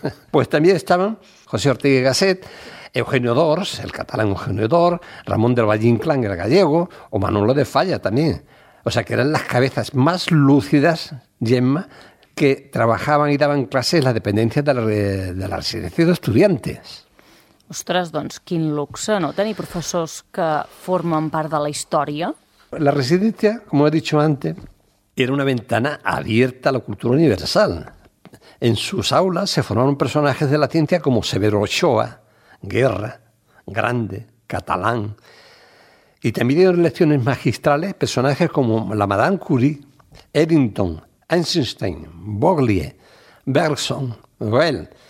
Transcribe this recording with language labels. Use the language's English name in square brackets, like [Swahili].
[Spanish] Pues también estaban José Ortega y Gasset, Eugenio Dors, el catalán Eugenio Dors, Ramón del Valle Inclán, el gallego, o Manolo de Falla también. O sea, que eran las cabezas más lúcidas, Gemma, que trabajaban y daban clases en las dependencias de la residencia de estudiantes. [Catalan] Ostres, doncs, quin luxe, ¿no?, tenir professors que formen part de la història. [Spanish] La residencia, como he dicho antes, era una ventana abierta a la cultura universal. En sus aulas se formaron personajes de la ciencia como Severo Ochoa, Guerra, Grande, Catalán. Y también dieron lecciones magistrales personajes como la Madame Curie, Eddington, Einstein, Boglie, Bergson, Goethe.